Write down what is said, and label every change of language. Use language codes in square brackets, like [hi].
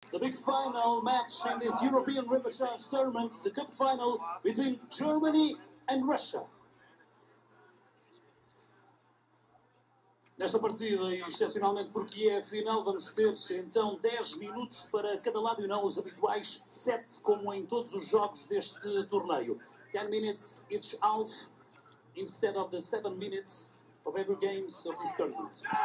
[en] the big final match in this European Repechage tournament, the cup final between Germany and Russia. [pt] Nesta partida, e excepcionalmente porque é a final, vamos ter então 10 minutos para cada lado e não os habituais 7, como em todos os jogos deste torneio. [en] 10 minutes each half, instead of the 7 minutes of every game of this tournament.